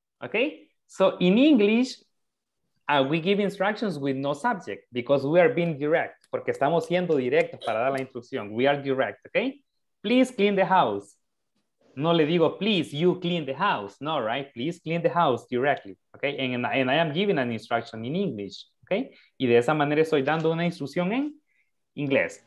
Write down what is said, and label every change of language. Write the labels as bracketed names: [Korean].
[English] Okay, so in English, we give instructions with no subject because we are being direct. [Spanish] Porque estamos siendo directos para dar la instrucción. [English] We are direct, okay? Please clean the house. [Spanish] No le digo, [English] please, you clean the house. No, right? Please clean the house directly. Okay? And I am giving an instruction in English. Okay? [Spanish] Y de esa manera estoy dando una instrucción en inglés.